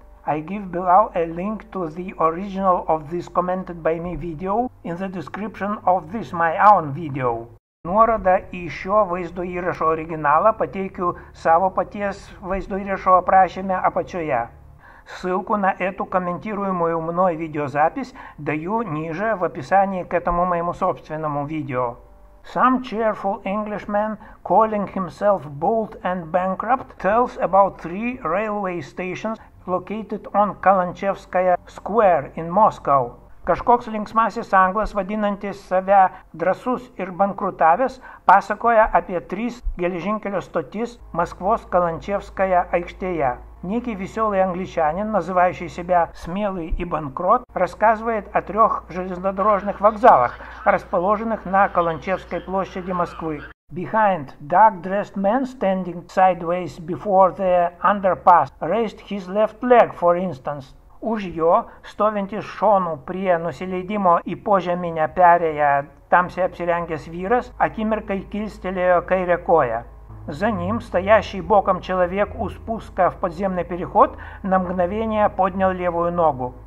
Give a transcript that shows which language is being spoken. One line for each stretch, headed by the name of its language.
English: I give below a link to the original of this commented by me video in the description of this my own video.
Lithuanian: Nuorodą į šio vaizdo įrašo originalą pateikiu savo paties vaizdo įrašo aprašyme apačioje.
Russian: Ссылку на эту комментируемую мной видеозапись даю ниже в описании к этому моему собственному видео.
English: Some cheerful Englishman, calling himself bold and bankrupt, tells about three railway stations located on Kalanchevskaya Square in Moscow.
Lithuanian: Kažkoks linksmasis anglas, vadinantis save drąsus ir bankrutavęs, pasakoja apie tris geležinkelio stotis Maskvos Kalančevskaja aikštėje.
Russian: Некий веселый англичанин, называющий себя «смелый» и «банкрот», рассказывает о трех железнодорожных вокзалах, расположенных на Каланчевской площади Москвы.
English: Behind, dark-dressed man standing sideways before the underpass raised his left leg, for instance.
Lithuanian: Už jo, stovintis šonu prie nusileidimo į požeminę perėją tamsiai apsirengęs vyras, akimirkai kilstelėjo kairę koją.
Russian: За ним стоящий боком человек у спуска в подземный переход на мгновение поднял левую ногу.